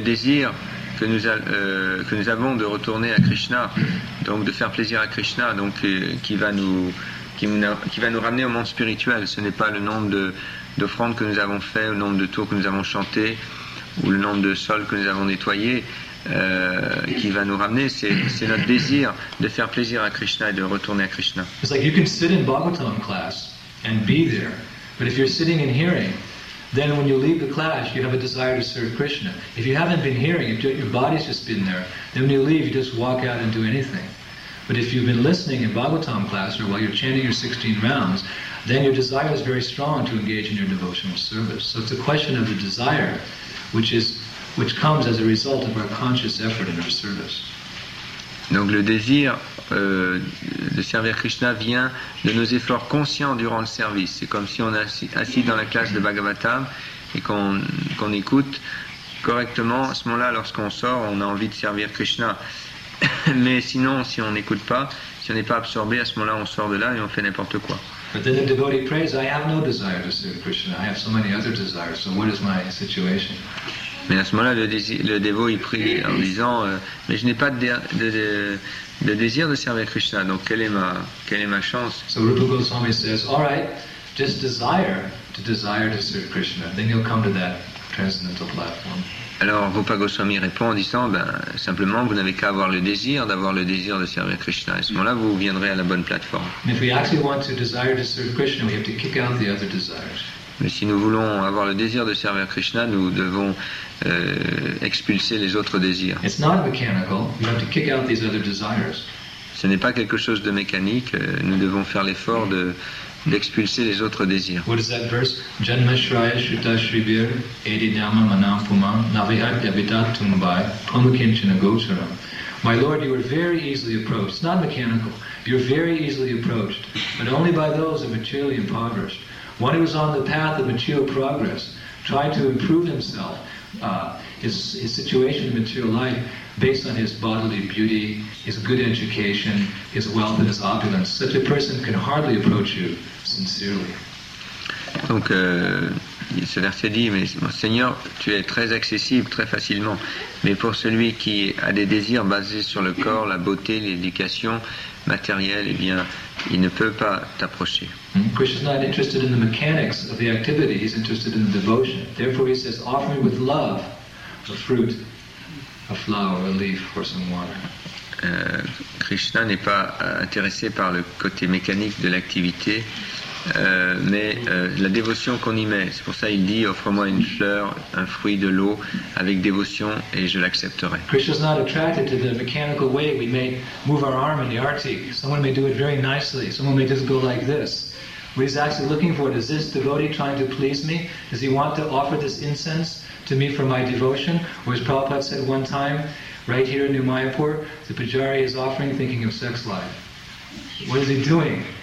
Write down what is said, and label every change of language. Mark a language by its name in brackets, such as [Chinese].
[French] désir que nous avons de retourner à Krishna, donc de faire plaisir à Krishna, donc qui va nous ramener au monde spirituel. Ce n'est pas le nombre d'offrandes que nous avons fait, le nombre de tours que nous avons chanté, ou le nombre de sols que nous avons nettoyés qui va nous ramener. C'est notre désir de faire plaisir à Krishna et de retourner à Krishna. [English] It's like you can sit in Bhagavatam class and be there, but if you're sitting and hearing, then when you leave the class, you have a desire to serve Krishna. If you haven't been hearing, if your body's just been there, then when you leave, you just walk out and do anything. But if you've been listening in Bhagavatam class or while you're chanting your 16 rounds, then your desire is very strong to engage in your devotional service. So it's a question of the desire, which comes as a result of our conscious effort in our service. [French] Donc le désir de servir Krishna vient de nos efforts conscients durant le service. C'est comme si on est assis dans la classe de Bhagavatam et qu'on écoute correctement. À ce moment-là, lorsqu'on sort, on a envie de servir Krishna. Mais sinon, si on n'écoute pas, si on n'est pas absorbé, à ce moment-là, on sort de là et on fait n'importe quoi. [English] But then the devotee prays, I have no desire to serve Krishna. I have so many other desires. So what is my situation? [French] Mais à ce moment-là, le dévot il prie en disant mais je n'ai pas de désir de servir Krishna, donc quelle est ma chance? [English] So Rupa Goswami says, all right, just desire to serve Krishna, then you'll come to that transcendental platform. [French] Alors Rupa Goswami répond en disant, ben simplement, vous n'avez qu'à avoir le désir d'avoir le désir de servir Krishna. À ce moment-là, vous viendrez à la bonne plateforme. [English] If we actually want to desire to serve Krishna, we have to kick out the other desires. [French] Mais si nous voulons avoir le désir de servir Krishna, nous devons expulser les autres désirs. [English] It's not mechanical. We have to kick out these other desires. [French] Ce n'est pas quelque chose de mécanique. Nous devons faire l'effort d'expulser les autres désirs. [English] What is that verse? [Sanskrit] Janma shraya shruta shribir edi dhamma manam pumam navihat yavitat tumbai pamukinchana gocharam. [English] My Lord, you are very easily approached. It's not mechanical. You are very easily approached, but only by those who are materially impoverished. One who is on the path of material progress, trying to improve himself, his situation in material life, based on his bodily beauty, his good education, his wealth and his opulence, such a person can hardly approach you sincerely. [French] Donc, ce verset dit, mais mon Seigneur, tu es très accessible, très facilement, mais pour celui qui a des désirs basés sur le corps, la beauté, l'éducation matérielle, eh bien, il ne peut pas t'approcher. [English] Krishna is not interested in the mechanics of the activity, he's interested in the devotion. Therefore he says, offer me with love a fruit, a flower, a leaf, or some water. [French] Krishna n'est pas intéressé par le côté mécanique de l'activité, mais la dévotion qu'on y met. C'est pour ça qu'il dit, offre-moi une fleur, un fruit, de l'eau, avec dévotion, et je l'accepterai. [English] Krishna is not attracted to the mechanical way we may move our arm in the arti. Someone may do it very nicely, someone may just go like this. What he's actually looking for is this devotee trying to please me? Does he want to offer this incense to me for my devotion? Or as Prabhupada said one time, right here in New Mayapur, the pujari is offering thinking of sex life. What is he doing?